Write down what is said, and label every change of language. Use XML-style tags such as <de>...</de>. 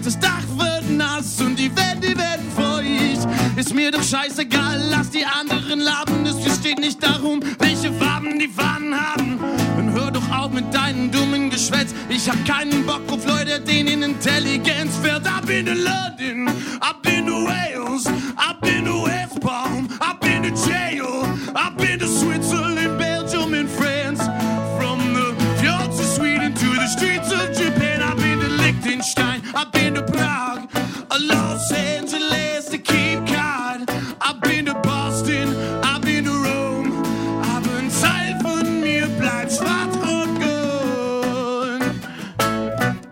<de>Das Dach wird nass und die Wände feucht. Ist mir doch scheißegal, lass die anderen labern. Es steht nicht darum, welche Farben die Fahnen haben. Und hör doch auf mit deinem dummen Geschwätz. Ich hab keinen Bock auf Leute, denen Intelligenz fährt.</de> <en>Up in the London, up in the Wales, up in the Westbaum, up in the jail. Up in the Switzerland, Belgium and France. From the fjords of Sweden to the streets of Japan. Up in the Liechtenstein, up in the Prague, Los Angeles, the Cape Cod. Up in the Boston, up in the Rome.</en> <de>Aber ein Teil von mir bleibt schwarz und gold.</de>